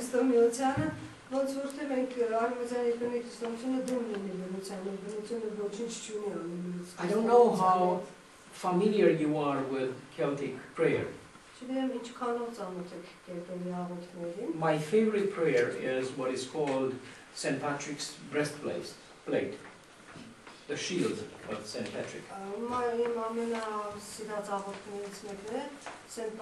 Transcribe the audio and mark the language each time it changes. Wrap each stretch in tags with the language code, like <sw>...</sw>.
<hy>Ոնց որ թե մենք արևմտյան երկրների քրիստոնությունը դեմ ունենի բնությանը, բնությունը ոչինչ չունի անելու։</hy> <en>I don't know how familiar you are with Celtic prayer.</en> <hy>Չգիտեմ ինչքանով ծանոթ եք կելտերի աղոթքներին։</hy> <en>My favorite prayer is what is called St. Patrick's breastplate. The shield of St. Patrick.</en> <hy>Իմ ամենասիրած աղոթքներից մեկն է St.</hy>